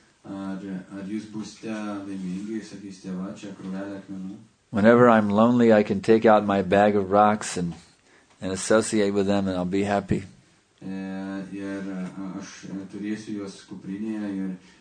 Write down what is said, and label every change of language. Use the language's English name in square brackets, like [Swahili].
[Lithuanian] Ar jūs būsite laimingi, sakysite, va, čia krūvelė akmenų? [English] Whenever I'm lonely, I can take out my bag of rocks and associate with them and I'll be happy. [Lithuanian] Ir aš turėsiu juos kuprinėje ir